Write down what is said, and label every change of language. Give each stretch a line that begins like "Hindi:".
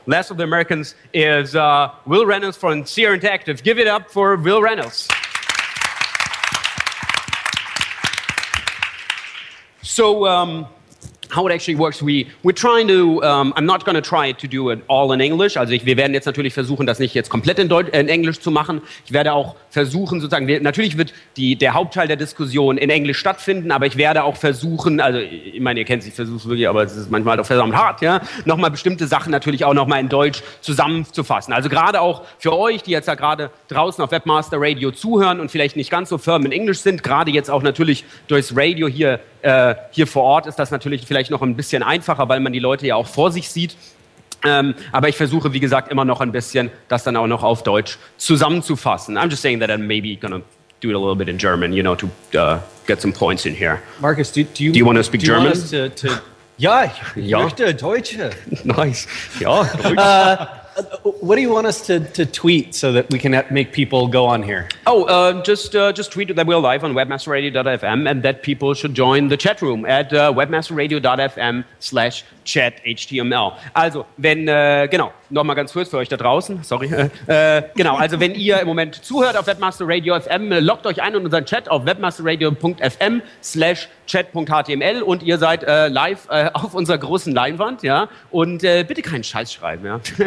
English: Last of the Americans is Will Reynolds from Sierra Interactive. Give it up for Will Reynolds. So... how it actually works, we're trying to, I'm not going to try to do it all in English.
German: Also wir werden jetzt natürlich versuchen, das nicht jetzt komplett in Englisch zu machen. Ich werde auch versuchen, sozusagen, natürlich wird der Hauptteil der Diskussion in Englisch stattfinden, aber ich werde auch versuchen, also ich meine, ihr kennt es, ich versuche es wirklich, aber es ist manchmal doch verdammt hart, ja, nochmal bestimmte Sachen natürlich auch nochmal in Deutsch zusammenzufassen. Also gerade auch für euch, die jetzt ja gerade draußen auf Webmaster Radio zuhören und vielleicht nicht ganz so firm in Englisch sind, gerade jetzt auch natürlich durchs Radio hier vor Ort ist das natürlich vielleicht noch ein bisschen einfacher, weil man die Leute ja auch vor sich sieht. Aber ich versuche, wie gesagt, immer noch ein bisschen das dann auch noch auf Deutsch zusammenzufassen.
English: I'm just saying that I'm maybe gonna do it a little bit in German, you know, to get some points in here. Marcus, do you want to speak German?
German: Ja, ich möchte Deutsch.
English: Nice. Ja,
German: Deutsch.
English: What do you want us to tweet so that we can make people go on here? Oh, just tweet that we're live on webmasterradio.fm and that people should join the chat room at webmasterradio.fm/chat.html.
German: Also, wenn, genau, nochmal ganz kurz für euch da draußen, sorry. Genau, also wenn ihr im Moment zuhört auf Webmaster Radio FM, loggt euch ein in unseren Chat auf webmasterradio.fm/chat.html und ihr seid live auf unserer großen Leinwand, ja, und bitte keinen Scheiß schreiben, ja.